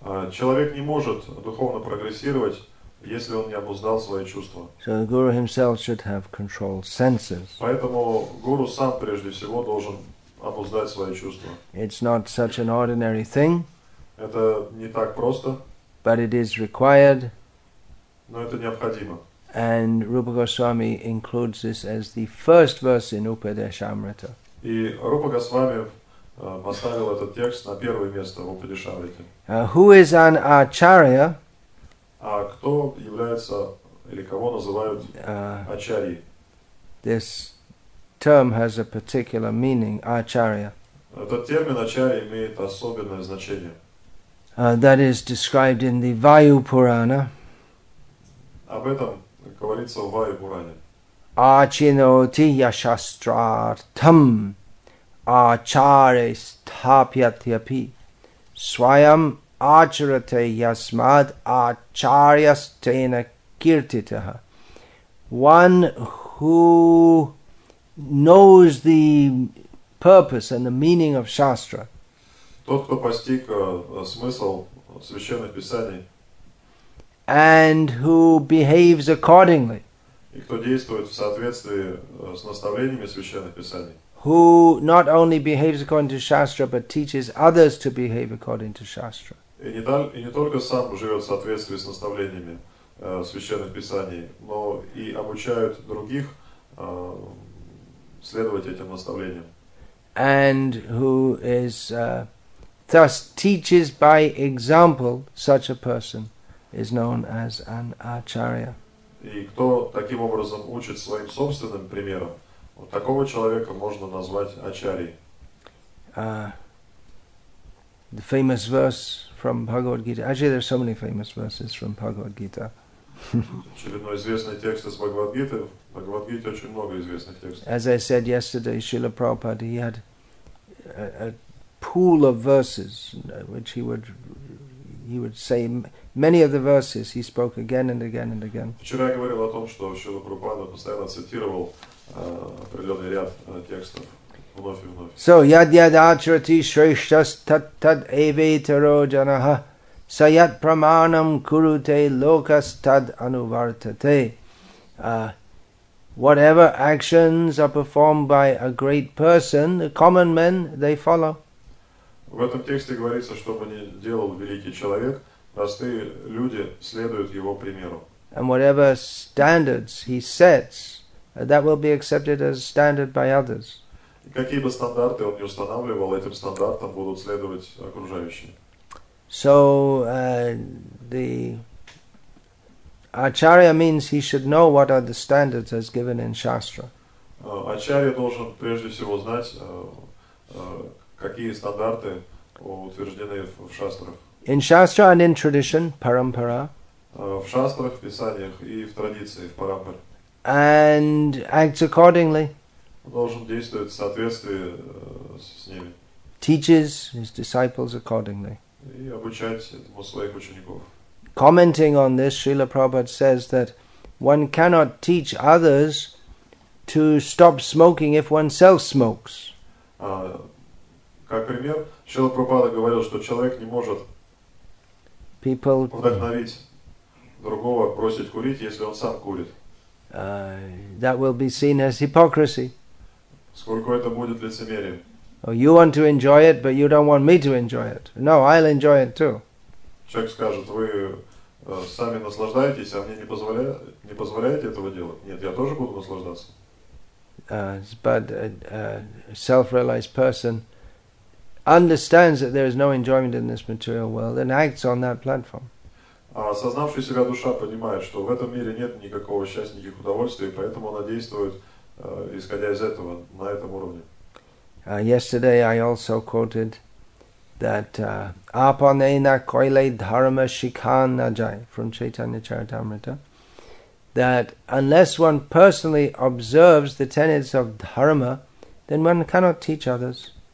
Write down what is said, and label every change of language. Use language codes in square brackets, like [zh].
[ru] Человек не может духовно прогрессировать, если он не обуздал свои чувства. [en] So the guru himself should have controlled senses. [ru] Поэтому гуру сам прежде всего должен обуздать свои чувства. [en] It's not such an ordinary thing. [ru] Это не так просто. [en] But it is required. [ru] Но это необходимо. [en] And Rupa Goswami includes this as the first verse in Upadeshamrita. [ru] И Рупа Госвами поставил этот текст на первое место в Упадешамрите. [en] Who is an acharya? [ru] А кто является или кого называют ачарьи? [en] This term has a particular meaning, acharya. [ru] Этот термин ачарьи имеет особенное значение. [en] That is described in the Vayu Purana. [ru] Об этом говорится в Ваю Пуране. [sa] Ачиноти яшастрартам ачаре стапьятьяпи свайам ачарате ясмад ачарьястена киртитаха. [en] One who knows the purpose and the meaning of Shastra. [ru] Тот, кто постиг смысл священных писаний. [en] And who behaves accordingly. [ru] И кто действует в соответствии с наставлениями священных писаний. [en] Who not only behaves according to Shastra, but teaches others to behave according to Shastra. [ru] И не только сам живет в соответствии с наставлениями священных писаний, но и обучает других следовать этим наставлениям. [en] And who is... Thus teaches by example, such a person is known as an acharya. [ru] И кто таким образом учит своим собственным примером, вот такого человека можно назвать ачарьей. [en] The famous verse from Bhagavad Gita. Actually, there are so many famous verses from Bhagavad Gita. [ru] Очередной известный текст из Бхагавад Гиты. В Бхагавад Гите очень много известных текстов. [en] As I said yesterday, Srila Prabhupada, he had a pool of verses, which he would say many of the verses he spoke again and again and again. [ru] Вчера я говорил о том, что Шрила Прабхупада постоянно цитировал определенный ряд текстов вновь и вновь. [sa] So yad yad acharati shreshtas tat tat evetaro janaha sayat pramanam kurute lokas tad anuvartate. [en] Whatever actions are performed by a great person, the common men, they follow. [ru] В этом тексте говорится, что бы ни делал великий человек, простые люди следуют его примеру. [en] And whatever standards he sets, that will be accepted as standard by others. [ru] И какие бы стандарты он ни устанавливал, этим стандартам будут следовать окружающие. [en] So, the acharya means he should know what are the standards as given in Shastra. [ru] Ачарья должен прежде всего знать, какие стандарты утверждены в шастрах. [en] In Shastra and in tradition, parampara. [ru] В шастрах, в писаниях и в традиции, в парампаре. [en] And acts accordingly. [ru] Должен действовать в соответствии с ними. [en] Teaches his disciples accordingly. [ru] И обучать этому своих учеников. [en] Commenting on this, Srila Prabhupada says that one cannot teach others to stop smoking if oneself smokes. [ru] Как пример, Шрила Прабхупада говорил, что человек не может вдохновить другого бросить курить, если он сам курит. [en] That will be seen as hypocrisy. [ru] Сколько это будет лицемерием? [en] Oh, you want to enjoy it, but you don't want me to enjoy it. No, I'll enjoy it too. [ru] Человек скажет, вы сами наслаждаетесь, а мне не позволяете этого делать. Нет, я тоже буду наслаждаться. [en] Self-realized person understands that there is no enjoyment in this material world and acts on that platform. [ru] Осознавший себя душа понимает, что в этом мире нет никакого счастья, никаких удовольствий, поэтому она действует, исходя из этого, на этом уровне. [en] Yesterday I also quoted that [bn] apanena koile dharma shikhan najai [en] from Chaitanya Charitamrita, that unless one personally observes the tenets of dharma, then one cannot teach others.